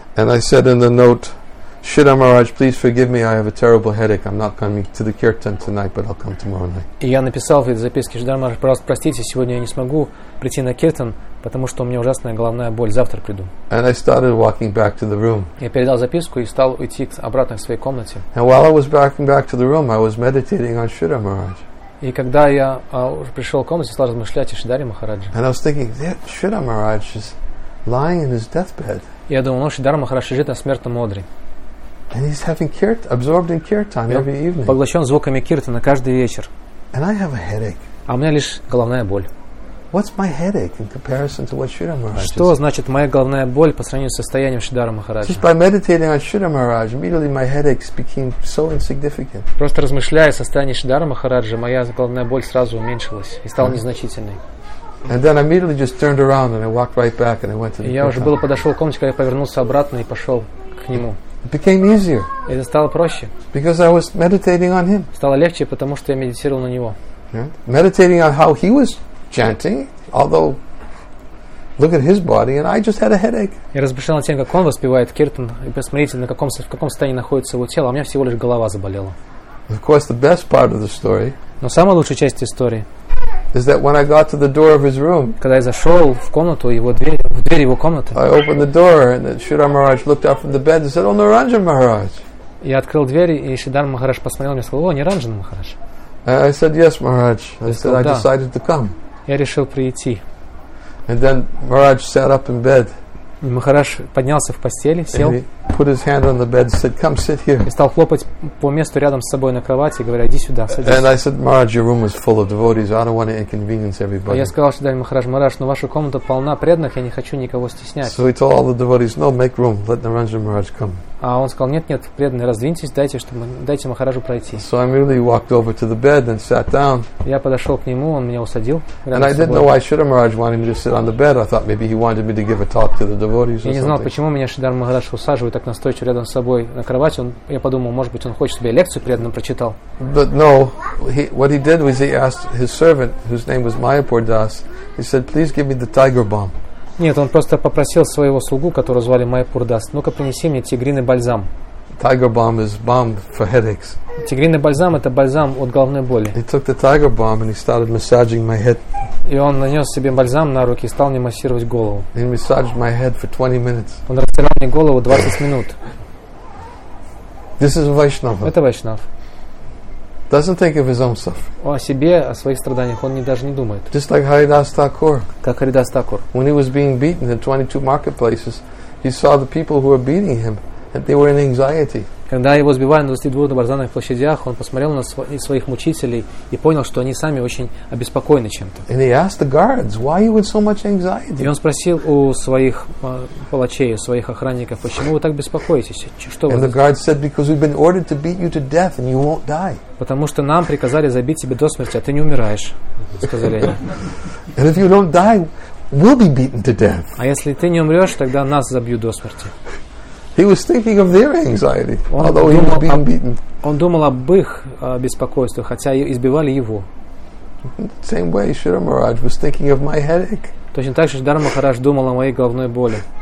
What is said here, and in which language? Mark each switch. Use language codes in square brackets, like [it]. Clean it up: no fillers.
[en] And I said in the note, Shridhar Maharaj, please forgive me. I have a terrible headache. I'm not coming to the kirtan tonight, but I'll come tomorrow night. [ru] И я написал в этой записке: Шридхар Махарадж, пожалуйста, простите, сегодня я не смогу прийти на киртан, потому что у меня ужасная головная боль. Завтра приду. [en] And I started walking back to the room. [ru] Я передал записку и стал уйти обратно к своей комнате. [en] And while I was walking back to the room, I was meditating on Shridhar Maharaj. [ru] И когда я пришел в комнату, я стал размышлять о Шридхаре Махарадже. [en] And I was thinking, Shridhar Maharaj is lying in his deathbed. [ru] Я думал, Шридхар Махарадж лежит на смертном одре. [en] And he's having kirtan, absorbed in kirtan every evening. [ru] Поглощен звуками киртана каждый вечер. [en] And I have a headache. [ru] А у меня лишь головная боль. [en] What's my headache in comparison to what Shridhar Maharaj? [ru] Что значит моя головная боль по сравнению с состоянием Шридхара Махараджа? [en] Just by meditating on Shridhar Maharaj, immediately my headaches became so insignificant. [ru] Просто размышляя о состоянии Шридхара Махараджа, моя головная боль сразу уменьшилась и стала незначительной. [en] And then I immediately just turned around and I walked right back and I went to the kirtan. [ru] Я уже было подошел к комнате, когда я повернулся обратно и пошел к нему. [en] It became easier. [ru] Это стало проще. [en] Because I was meditating on him. [ru] Стало легче, потому что я медитировал на него. Yeah. [en] Meditating on how he was chanting, although look at his body, and I just had a headache. [ru] Я размышлял о том, как он воспевает киртан, и посмотрите, в каком состоянии находится его тело. У меня всего лишь голова заболела. [en] Of course, the best part of the story. [ru] Но самая лучшая часть истории. [en] Is that when I got to the door of his room? [ru] Когда я зашел в комнату его дверь, в дверь его комнаты. [en] I opened the door and Shridhar Maharaj looked up from the bed and said, "Oh, Niranjan Maharaj." [ru] Я открыл дверь и Шридхар Махарадж посмотрел на меня и сказал: "О, Ниранджан Махарадж." [en] I said, "Yes, Maharaj." I said, "I decided to come." [ru] Я решил прийти. [en] And then Maharaj sat up in bed. [ru] Махарадж поднялся в постели, сел. [en] And he put his hand on the bed and said, "Come sit here." [ru] И стал хлопать по месту рядом с собой на кровати, говоря: "Иди сюда, садись." [en] And I said, "Maharaj, your room is full of devotees. I don't want to inconvenience everybody." [ru] Я сказал Шридхар Махарадж: "Махарадж, но ваша комната полна преданных, я не хочу никого стеснять." [en] So he told all the devotees, "No, make room. Let Niranjan Maharaj come." [ru] А он сказал: "Нет, преданные, раздвиньтесь, дайте Махараджу пройти." [en] So I merely walked over to the bed and sat down. [ru] Я подошел к нему, он меня усадил. [en] And I didn't know why Shridhar Maharaj wanted me to sit on the bed. I thought maybe he wanted me to give a talk to the devotees. [ru] Я не знал, почему меня Шридхар Махарадж усаживает так настойчиво рядом с собой на кровати. Я подумал, может быть, он хочет, чтобы я лекцию преданным прочитал. [en] But no, what he did was he asked his servant, whose name was Mayapur Das, he said, "Please give me the tiger balm." [ru] Нет, он просто попросил своего слугу, которого звали Майпур Дас, ну-ка принеси мне тигриный бальзам. [en] Tiger balm is balm for headaches. [ru] Тигриный бальзам — это бальзам от головной боли. [en] He took the tiger balm and he started massaging my head. [ru] И он нанес себе бальзам на руки и стал мне массировать голову. [en] He massaged my head for 20 minutes. [ru] Он растирал мне голову 20 минут. [en] This is Vaishnava. [ru] Это Вайшнав. [en] Doesn't think of his own suffering. [ru] О себе, о своих страданиях он даже не думает. [en] Just like Haridas Thakur. [ru] Как Haridas Thakur. [en] When he was being beaten in 22 marketplaces, he saw the people who were beating him, and they were in anxiety. [ru] Когда его сбивали на 22 базарных площадях, он посмотрел на своих мучителей и понял, что они сами очень обеспокоены чем-то. [en] And he asked the guards, why are you with so much anxiety? [ru] И он спросил у своих палачей, у своих охранников, почему вы так беспокоитесь? Что [en] вы? And the guards said, because we've been ordered to beat you to death, and you won't die. [ru] Потому что нам приказали забить тебя до смерти, а ты не умираешь, сказали они. [en] And if you don't die, we'll be beaten to death. [ru] А если ты не умрешь, тогда нас забьют до смерти. [en] He was thinking of their anxiety, although he was being beaten. [ru] Он думал об их беспокойстве, хотя избивали его. [en] Same way, Shridhar Maharaj was thinking of my headache. [ru] Точно так же Шридхар Махарадж думал о моей головной боли.